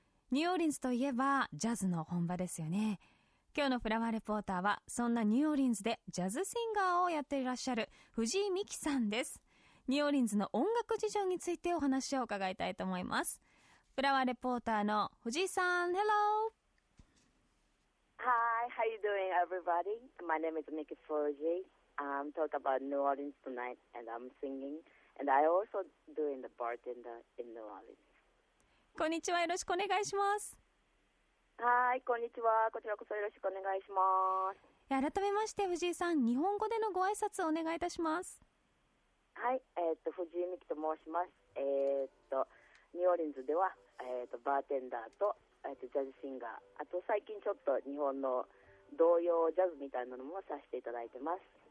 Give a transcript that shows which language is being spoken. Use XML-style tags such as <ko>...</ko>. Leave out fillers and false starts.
<ja>ニューオーリンズといえばジャズの本場ですよね。今日のフラワーレポーターはそんなニューオーリンズでジャズシンガーをやっていらっしゃる藤井美希さんです。ニューオーリンズの音楽事情についてお話を伺いたいと思います。フラワーレポーターの藤井さん、 Hello。</ja> <en>Hi, how you doing everybody? My name is Miki Fuji. I'm talking about New Orleans tonight and I'm singing and I also doing the bartender in New Orleans.</en> <ja>こんにちは、よろしくお願いします。はい、こんにちは、こちらこそよろしくお願いします。改めまして藤井さん、日本語でのご挨拶をお願いいたします。はい、藤井美希と申します。ニューオーリンズでは、バーテンダーと、ジャズシンガー、あと最近ちょっと日本の童謡ジャズみたいなのもさせていただいてます。</ja>